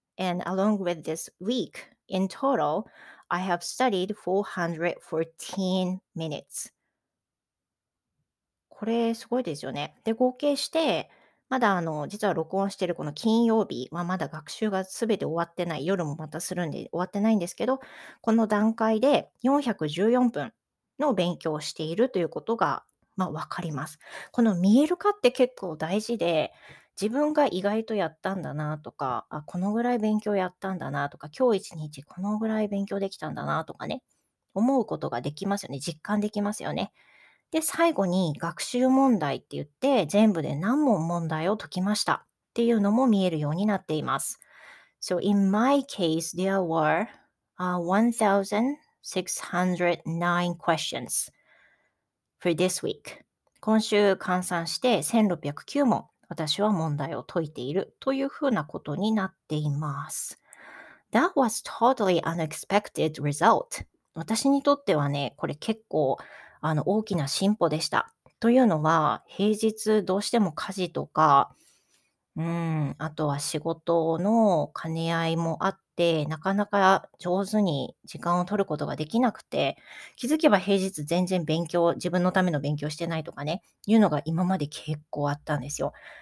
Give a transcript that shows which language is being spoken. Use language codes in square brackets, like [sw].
[en] And along with this week, in total, I have studied 414 minutes. [ja] これすごいですよね。で、合計して、まだ実は録音しているこの金曜日はまだ学習がすべて終わってない、夜もまたするんで終わってないんですけど、この段階で414分の勉強をしているということが、まあ、わかります。この見える化って結構大事で、自分が意外とやったんだなとか、あ、このぐらい勉強やったんだなとか、今日一日このぐらい勉強できたんだなとかね、思うことができますよね、実感できますよね。で、最後に学習問題って言って、全部で何問問題を解きましたっていうのも見えるようになっています。 [en] So, in my case, there were 1,609 questions for this week. [ja] 今週換算して1,609問。私は問題を解いているというふうなことになっています。 [en] That was totally unexpected result. [ja] 私にとってはね、これ結構大きな進歩でした。というのは、平日どうしても家事とか、あとは仕事の兼ね合いもあって、なかなか上手に時間を取ることができなくて、気づけば平日全然勉強、自分のための勉強してないとかね、いうのが今まで結構あったんですよ。